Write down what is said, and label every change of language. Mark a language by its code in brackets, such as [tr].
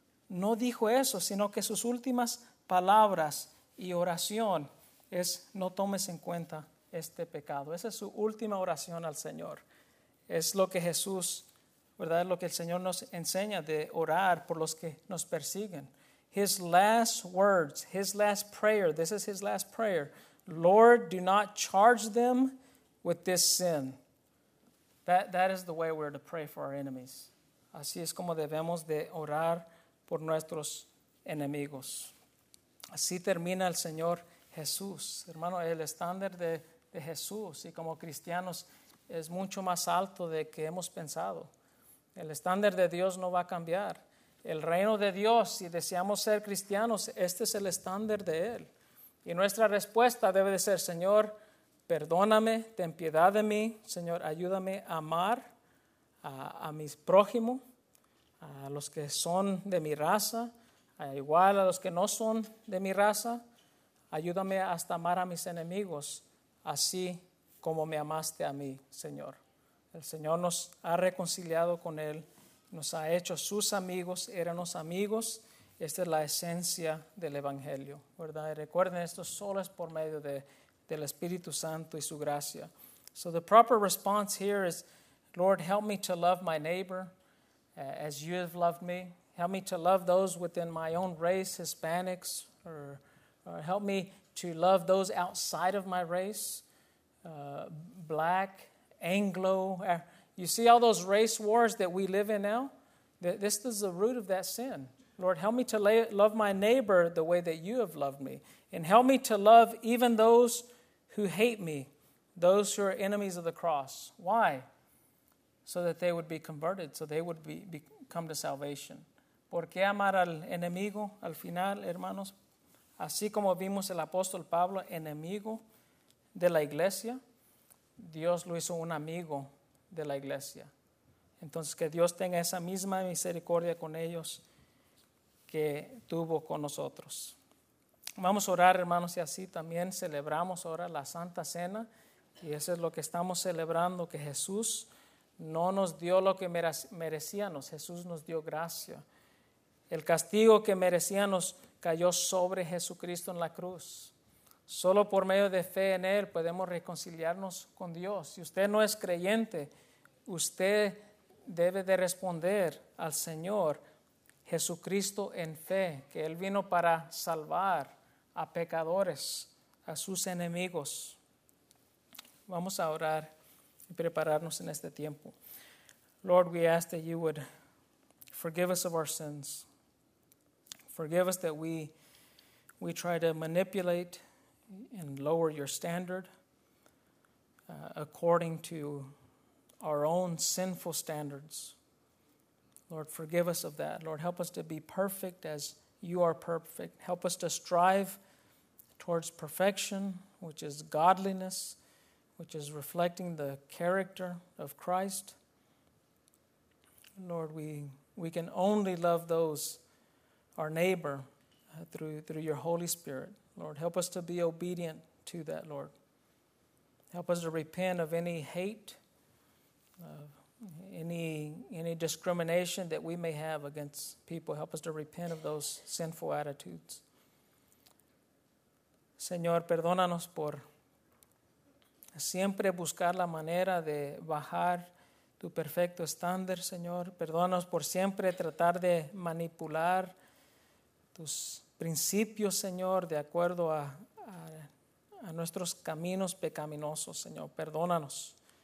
[es] No dijo eso, sino que sus últimas palabras y oración es, no tomes en cuenta este pecado. Esa es su última oración al Señor. Es lo que Jesús, ¿verdad? Lo que el Señor nos enseña de orar por los que nos persiguen. [en] His last words, his last prayer, this is his last prayer. Lord, do not charge them with this sin. That is the way we're to pray for our enemies. [es] Así es como debemos de orar por nuestros enemigos. Así termina el Señor Jesús. Hermano, el estándar de Jesús y como cristianos es mucho más alto de que hemos pensado. El estándar de Dios no va a cambiar. El reino de Dios, si deseamos ser cristianos, este es el estándar de Él. Y nuestra respuesta debe de ser, Señor, perdóname, ten piedad de mí. Señor, ayúdame a amar a mis prójimos, a los que son de mi raza, igual a los que no son de mi raza. Ayúdame hasta amar a mis enemigos, así como me amaste a mí, Señor. El Señor nos ha reconciliado con Él, nos ha hecho sus amigos, éramos amigos. Esta es la esencia del Evangelio, ¿verdad? Y recuerden, esto solo es por medio del Espíritu Santo y su gracia. [en] So the proper response here is, Lord, help me to love my neighbor as you have loved me. Help me to love those within my own race, Hispanics, or help me to love those outside of my race, black, Anglo, you see all those race wars that we live in now? This is the root of that sin. Lord, help me to love my neighbor the way that you have loved me. And help me to love even those who hate me, those who are enemies of the cross. Why? so that they would be converted, so they would come to salvation. [es] ¿Por qué amar al enemigo al final, hermanos? Así como vimos el apóstol Pablo, enemigo de la iglesia, Dios lo hizo un amigo de la iglesia. Entonces, que Dios tenga esa misma misericordia con ellos que tuvo con nosotros. Vamos a orar, hermanos, y así también celebramos ahora la Santa Cena. Y eso es lo que estamos celebrando, que Jesús no nos dio lo que merecíamos. Jesús nos dio gracia. El castigo que merecíamos cayó sobre Jesucristo en la cruz. Solo por medio de fe en Él podemos reconciliarnos con Dios. Si usted no es creyente, usted debe de responder al Señor Jesucristo en fe, que Él vino para salvar a pecadores, a sus enemigos. Vamos a orar y prepararnos en este tiempo. [en] Lord, we ask that you would forgive us of our sins. Forgive us that we try to manipulate and lower your standard according to our own sinful standards. Lord, forgive us of that. Lord, help us to be perfect as you are perfect. Help us to strive towards perfection, which is godliness, which is reflecting the character of Christ. Lord, we can only love those, our neighbor, through your Holy Spirit. Lord, help us to be obedient to that, Lord. Help us to repent of any hate, any discrimination that we may have against people. Help us to repent of those sinful attitudes. [es] Señor, perdónanos por siempre buscar la manera de bajar tu perfecto estándar, Señor. Perdónanos por siempre tratar de manipular tus principios, Señor, de acuerdo a nuestros caminos pecaminosos, Señor. Perdónanos.